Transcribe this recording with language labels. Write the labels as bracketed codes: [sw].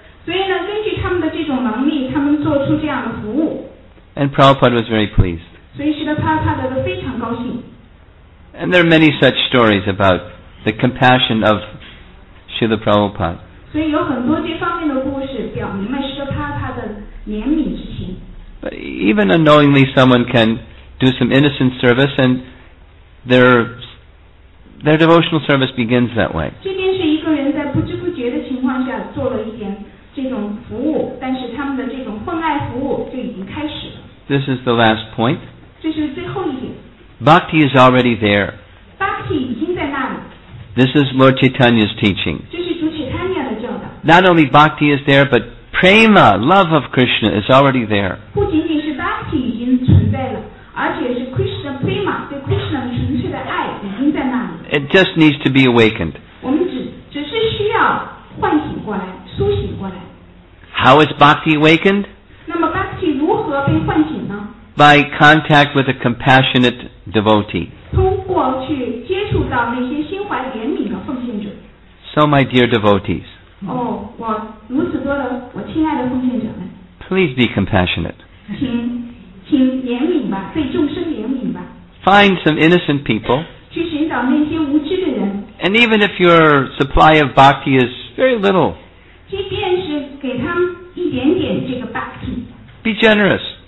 [zh] 所以呢，根据他们的这种能力，他们做出这样的服务。 [en] And Prabhupada was very pleased. [zh] 所以使得Prabhupada都非常高兴。 [en] And there are many such stories about the compassion of Srila Prabhupada. [zh] 所以有很多这方面的故事，表明了使得Prabhupada的怜悯之心。 [en] But even unknowingly, someone can do some innocent service, and they're. Their devotional service begins that way. [zh] 这边是一个人在不知不觉的情况下做了一点这种服务，但是他们的这种奉爱服务就已经开始了。 [en] This is the last point. [zh] 这是最后一点。 [en] Bhakti is already there. [zh] Bhakti 已经在那里。 [en] This is Lord Chaitanya's teaching. [zh] 这是主耶稣的教导。 [en] Not only Bhakti is there, but prema, love of Krishna, is already there. [zh] 不仅仅是 Bhakti 已经存在了，而且是 Krishna prema 对 Krishna 纯粹的爱已经在那里。 [en] It just needs to be awakened. [zh] 我们只是需要唤醒过来，苏醒过来。 [en] How is bhakti awakened? [zh] 那么 bhakti 如何被唤醒呢？ [en] By contact with a compassionate devotee. [zh] 通过去接触到那些心怀怜悯的奉献者。 [en] So my dear devotees. [zh] 我如此多的我亲爱的奉献者们。 [en] Please be compassionate. [zh] 请怜悯吧，对众生怜悯吧。 [en] Find some innocent people. And even if your supply of bhakti is very little, be generous.